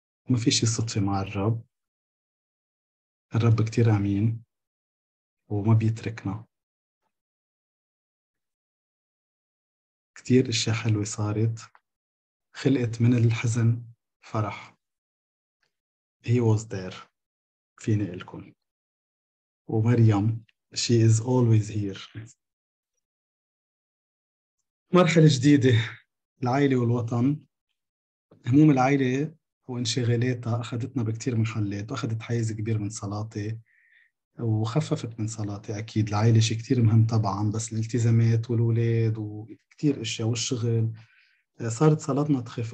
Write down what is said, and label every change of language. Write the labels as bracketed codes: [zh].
[ar] ما في شي صدفة مع الرب، الرب كتير أمين وما بيتركنا. كتير اشياء حلوة صارت، خلقت من الحزن فرح. [en] He was there، [ar] فيني قلكن. ومريم [en] She is always here. [ar] مرحلة جديدة، العائلة والوطن. هموم العائلة وانشغالاتها أخذتنا بكتير من حلات، وأخذت حيز كبير من صلاتي وخففت من صلاتي. أكيد العائلة شيء كتير مهم طبعا، بس الالتزامات والولاد وكتير أشياء والشغل صارت صلاتنا تخف.